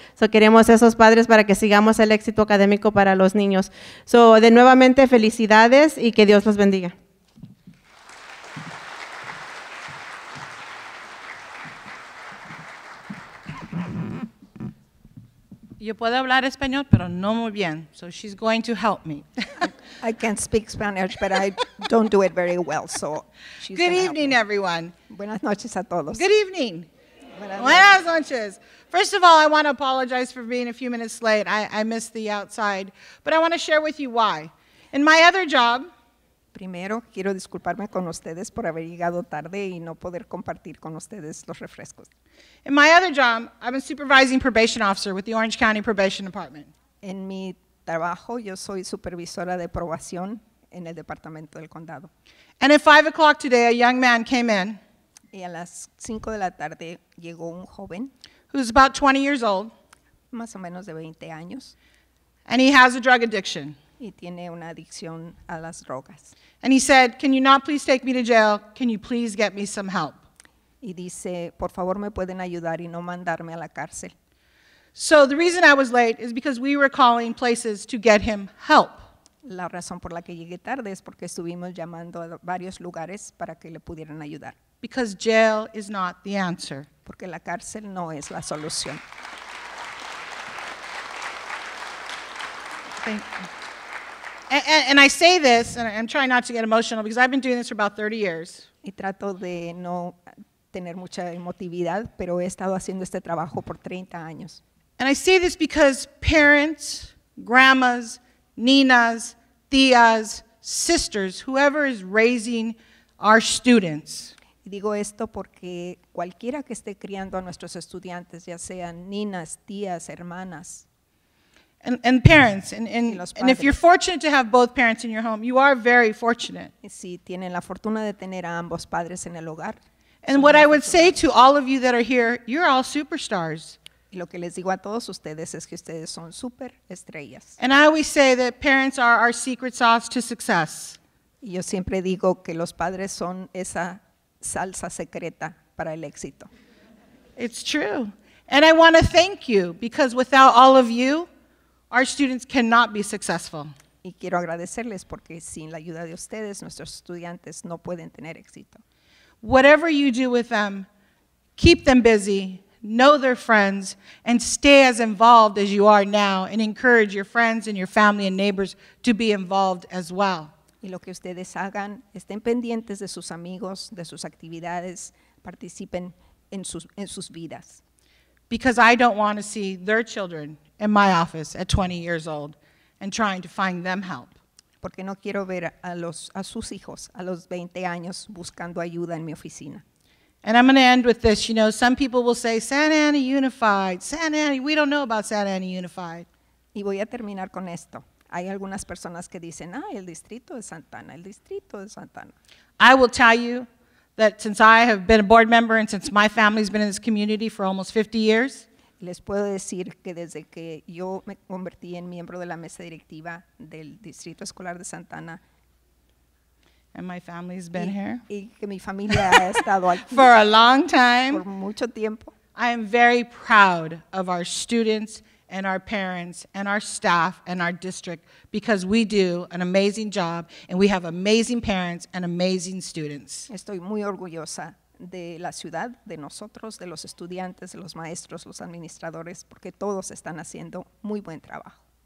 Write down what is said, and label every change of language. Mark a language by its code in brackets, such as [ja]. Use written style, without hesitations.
[es] So, queremos esos padres para que sigamos el éxito académico para los niños. So, de nuevamente, felicidades y que Dios los bendiga. Yo puedo hablar español, pero no muy bien. [en] So she's going to help me. I can't speak Spanish, but I don't do it very well. So she's good evening, help me. Everyone. [es] Buenas noches a todos. [en] Good evening. [es] Buenas noches. [en] First of all, I want to apologize for being a few minutes late. I missed the outside, but I want to share with you why. In my other job. [es] Primero quiero disculparme con ustedes por haber llegado tarde y no poder compartir con ustedes los refrescos. [en] In my other job, I'm a supervising probation officer with the Orange County Probation Department. [es] En mi trabajo, yo soy supervisora de probación en el departamento del condado. [en] And at 5 o'clock today, a young man came in. [es] Y a las 5 de la tarde llegó un joven. [en] Who's about 20 years old. [es] Más o menos de 20 años. [en] And he has a drug addiction. [es] Y tiene una adicción a las drogas. [en] And he said, can you not please take me to jail? Can you please get me some help? [es] Y dice, por favor, me pueden ayudar y no mandarme a la cárcel. [en] So the reason I was late is because we were calling places to get him help. [es] La razón por la que llegué tarde es porque estuvimos llamando a varios lugares para que le pudieran ayudar. [en] Because jail is not the answer. [es] porque la cárcel no es la solución. [en] And I say this, and I'm trying not to get emotional because I've been doing this for about 30 years. [es] Y trato de no tener mucha emotividad, pero he estado haciendo este trabajo por 30 años. [en] And I say this because parents, grandmas, ninas, tías, sisters, whoever is raising our students. [es] Y digo esto porque cualquiera que esté criando a nuestros estudiantes, ya sean ninas, tías, hermanas. [en] And parents, and if you're fortunate to have both parents in your home, you are very fortunate. [es] Y si tienen la fortuna de tener a ambos padres en el hogar. [en] And what I would say to all of you that are here, you're all superstars. [es] Y lo que les digo a todos ustedes es que ustedes son superestrellas. [en] And I always say that parents are our secret sauce to success. [es] Y yo siempre digo que los padres son esa salsa secreta para el éxito. [en] It's true. And I want to thank you, because without all of you, our students cannot be successful. [es] Y quiero agradecerles porque sin la ayuda de ustedes, nuestros estudiantes no pueden tener éxito. [en] Whatever you do with them, keep them busy, know their friends, and stay as involved as you are now, and encourage your friends and your family and neighbors to be involved as well. [es] Y lo que ustedes hagan, estén pendientes de sus amigos, de sus actividades, participen en sus vidas. [en] Because I don't want to see their children in my office at 20 years old and trying to find them help. [es] Porque no quiero ver a sus hijos a los 20 años buscando ayuda en mi oficina. [en] And I'm going to end with this. You know, some people will say, Santa Ana Unified, Santa Ana, we don't know about Santa Ana Unified. [es] Y voy a terminar con esto. Hay algunas personas que dicen, el distrito de Santa Ana, el distrito de Santa Ana. [en] I will tell you that since I have been a board member and since my family's been in this community for almost 50 years, [es] les puedo decir que desde que yo me convertí en miembro de la mesa directiva del Distrito Escolar de Santa Ana, [en] and my family's been here. [es] Y que mi familia ha estado aquí. [en] For a long time. [es] Por mucho tiempo. [en] I am very proud of our students and our parents and our staff and our district because we do an amazing job and we have amazing parents and amazing students. [es] Estoy muy orgullosa de la ciudad, de nosotros, de los estudiantes, de los maestros, los administradores, porque todos están haciendo muy buen trabajo.